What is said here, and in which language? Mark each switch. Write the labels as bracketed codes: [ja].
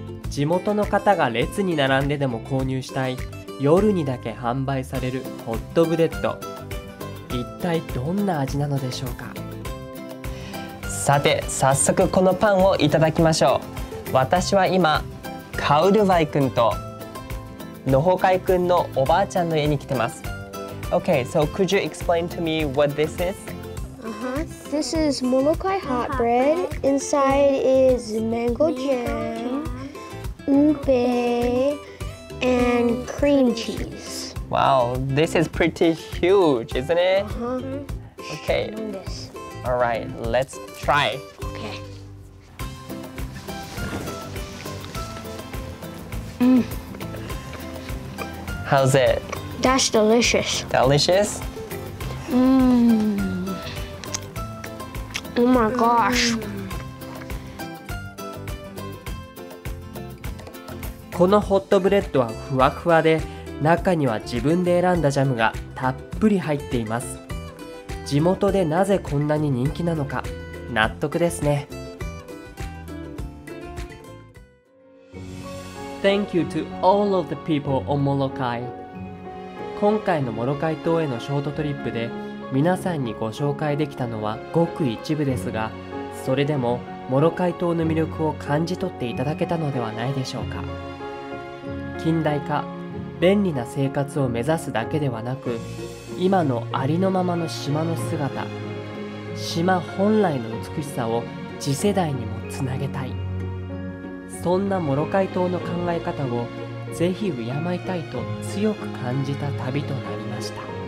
[ja] 地元の方が列に並んででも購入したい夜にだけ販売されるホットブレッド、一体どんな味なのでしょうか。さて早速このパンをいただきましょう。私は今カウルバイ君とノホカイ君のおばあちゃんの家に来てます。 [en] Okay, so could you explain to me what this is? This is Molokai hot bread. Inside is mango jam, ube, and cream cheese. Wow, this is pretty huge, isn't it? Okay. All right, let's try. Okay. How's it? That's delicious. Delicious? Oh my gosh. [ja] このホットブレッドはふわふわで、中には自分で選んだジャムがたっぷり入っています。地元でなぜこんなに人気なのか、納得ですね。 [en] Thank you to all of the people on Molokai. [ja] 今回のモロカイ島へのショートトリップで、皆さんにご紹介できたのはごく一部ですが、それでもモロカイ島の魅力を感じ取っていただけたのではないでしょうか。近代化、便利な生活を目指すだけではなく、今のありのままの島の姿、島本来の美しさを次世代にもつなげたい、そんなモロカイ島の考え方をぜひ敬いたいと強く感じた旅となりました。